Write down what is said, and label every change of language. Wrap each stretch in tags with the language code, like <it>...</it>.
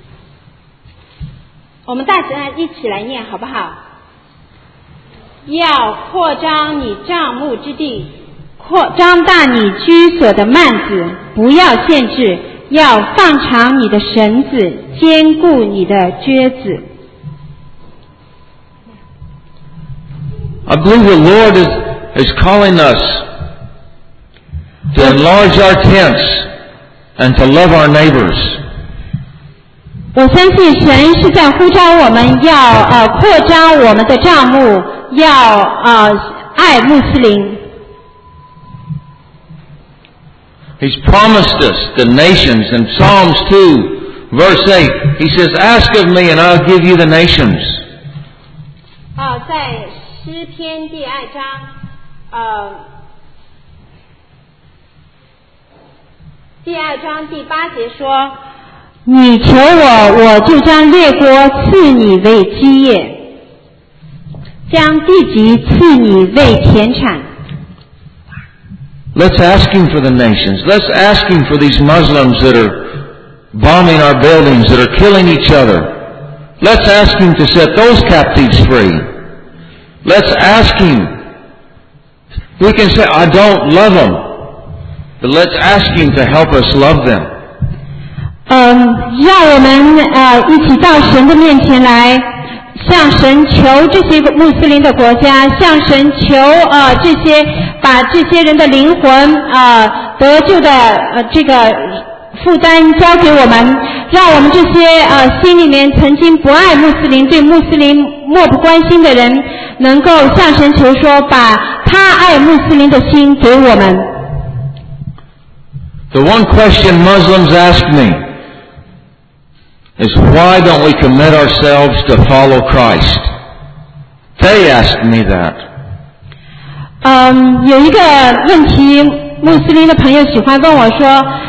<zh>第二节，我们大家一起来念好不好？要扩张你帐幕之地，扩张大你居所的幔子，不要限制，要放长你的绳子，坚固你的撅子。</zh> <en>I believe the Lord is calling us to enlarge our tents and to love our neighbors.</en> <zh>我相信神是在呼召我们要扩张我们的帐幕，要爱穆斯林。</zh> <en>He's promised us the nations in Psalms 2, verse 8. He says, ask of me and I'll give you the nations.</en> <zh>在诗篇第二章第二章第八节说，你求我，我就将列国赐你为基业，将地极赐你为田产。</zh> <en>Let's ask him for the nations. Let's ask him for these Muslims that are bombing our buildings, that are killing each other. Let's ask him to set those captives free. Let's ask him. We can say, I don't love them. But let's ask him to help us love them.</en> <zh>让我们一起到神的面前来，向神求这些穆斯林的国家，向神求这些把这些人的灵魂得救的这个负担交给我们，让我们这些心里面曾经不爱穆斯林、对穆斯林漠不关心的人，能够向神求说，把他爱穆斯林的心给我们。</zh> <en>The one question Muslims ask me is why don't we commit ourselves to follow Christ? They ask me that.</en> <zh>有一个问题，穆斯林的朋友喜欢问我说，</zh>